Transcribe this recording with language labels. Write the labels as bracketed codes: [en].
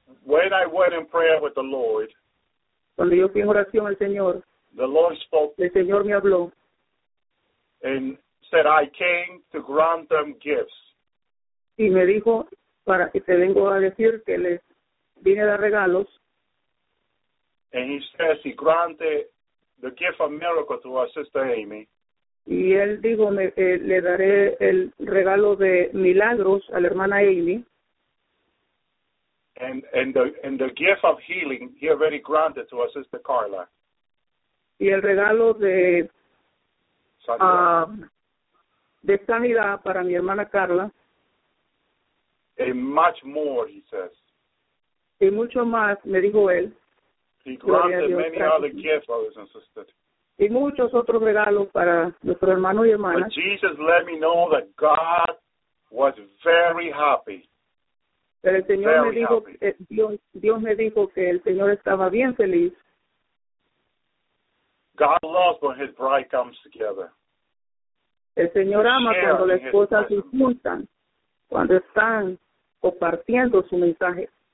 [en] When I went in prayer with the Lord, [es] cuando yo fui en oración al Señor, [en] the Lord spoke, [es] el Señor me habló, [en] and said, I came to grant them gifts. [es] Y me dijo, para que te vengo a decir que les vine a dar regalos. [en] And he says he granted the gift of miracle to our sister Amy. [es] Y él dijo, le daré el regalo de milagros a la hermana Amy. [en] And the gift of healing he already granted to our sister Carla. [es] Y el regalo de sanidad. De sanidad para mi hermana Carla. [en] And much more, he says. [es] Y mucho más, me dijo él. [en] He granted many practicing. Other gifts, brothers and sisters. [es] Y muchos otros regalos para nuestro hermano y hermana. [en] But Jesus let me know that God was very happy. [es] Pero el Señor [en] Very [es] me dijo, Dios me dijo que el Señor estaba bien feliz. [en] God loves when his bride comes together. [es] El Señor ama cuando las esposas se juntan, cuando están compartiendo su mensaje.